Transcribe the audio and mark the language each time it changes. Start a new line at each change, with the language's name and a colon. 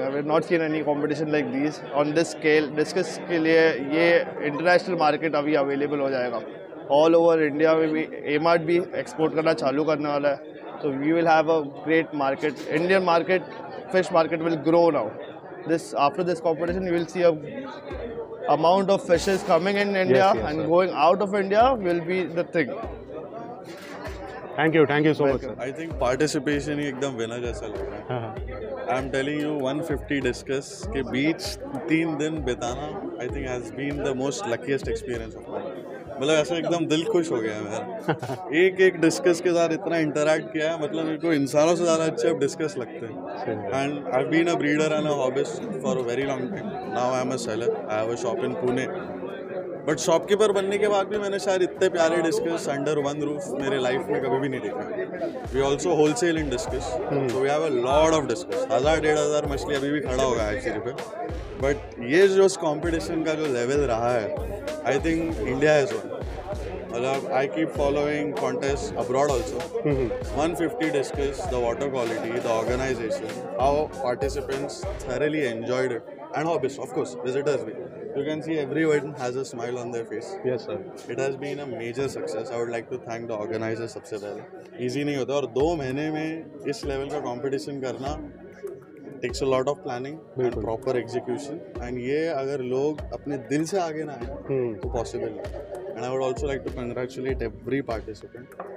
English: I have not seen any competition like this on this scale. Discus
Hindi: के लिए ये international market अभी available हो जाएगा
English: All over India में भी।
Hindi: एमआरट भी एक्सपोर्ट करना चालू करने वाला है, तो
English: We will have a great market. Indian market, fish market will grow now this. After this competition you will see a amount of fishes coming in India, yes, and sir. Going out of India will be the thing. Thank you so much, sir. I think
Hindi: participation hi ekdam winner jaisa lag raha hai.
English: I'm telling you, 150 discus
Hindi: ke beach 3 din bitana
English: I think has been the most luckiest experience of mine.
Hindi: मतलब ऐसा एकदम दिल खुश हो गया मेरा। एक एक डिस्कस के साथ इतना इंटरेक्ट किया है, मतलब मेरे को इंसानों से ज़्यादा अच्छे अब डिस्कस लगते हैं।
English: And I have been a breeder and a hobbyist for a very long time. Now I am a seller, I have a shop in Pune.
Hindi: But shopkeeper बनने के बाद भी मैंने शायद इतने प्यारे डिस्कस
English: under one roof
Hindi: मेरे लाइफ में कभी भी नहीं देखा।
English: We also wholesale in discus, तो we have a lot of discus.
Hindi: 1,000-1,500 मछली अभी भी खड़ा होगा एक्चुअली पे। बट ये जो कॉम्पिटिशन का जो लेवल रहा है,
English: I think India has one. मतलब I keep following contest abroad also. 150 discus, the water quality, the organization, how participants thoroughly enjoyed it, and hobbies of course visitors भी। You can see everyone has a smile on their face. Yes, sir. It has been a major success. I would like to thank the organizers
Hindi: सबसे पहले।
English: Easy
Hindi: नहीं होता, और दो महीने में इस level का competition करना
English: takes a lot of planning and proper execution.
Hindi: And ये अगर लोग अपने दिल से आगे ना आए तो possible नहीं।
English: And I would also like to congratulate every participant.